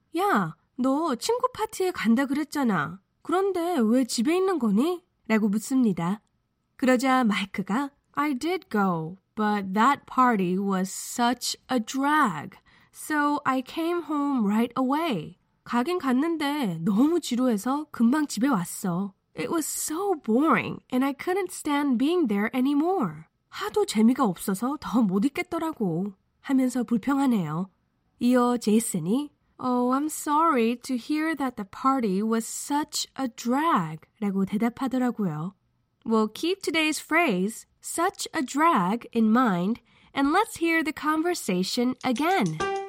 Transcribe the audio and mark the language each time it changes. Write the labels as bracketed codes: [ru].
[ko] 야, 너 친구 파티에 간다 그랬잖아. 그런데 왜 집에 있는 거니? 라고 묻습니다. 그러자 마이크가 [en] I did go, but that party was such a drag. So I came home right away. [ko] 가긴 갔는데 너무 지루해서 금방 집에 왔어. [en] It was so boring and I couldn't stand being there anymore. [ko] 하도 재미가 없어서 더 못 있겠더라고 하면서 불평하네요. 이어 제이슨이 [en] Oh, I'm sorry to hear that the party was such a drag [ko] 라고 대답하더라고요. [en] Well, keep today's phrase such a drag in mind and let's hear the conversation again.